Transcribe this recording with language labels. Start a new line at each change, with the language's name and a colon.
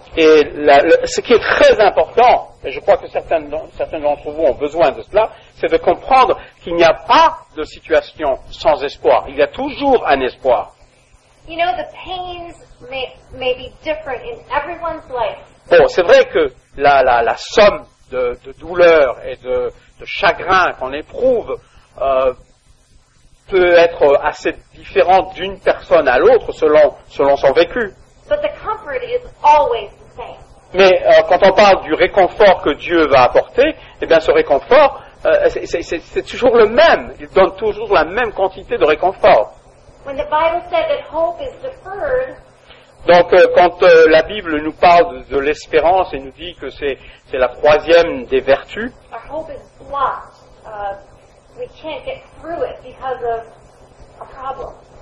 French: Et ce qui est très important, et je crois que certains d'entre vous ont besoin de cela, c'est de comprendre qu'il n'y a pas de situation sans espoir. Il y a toujours un espoir.
English: You know, the pains may be different in everyone's life.
French: Bon, c'est vrai que la somme de douleurs et de chagrins qu'on éprouve peut être assez différente d'une personne à l'autre selon son vécu.
English: But the comfort is always the same.
French: Mais quand on parle du réconfort que Dieu va apporter, eh bien ce réconfort, c'est toujours le même. Il donne toujours la même quantité de réconfort.
English: When the Bible said that hope is deferred,
French: donc quand la Bible nous parle de l'espérance et nous dit que c'est la troisième des vertus,
English: our hope is blocked. We can't get through it because of a problem.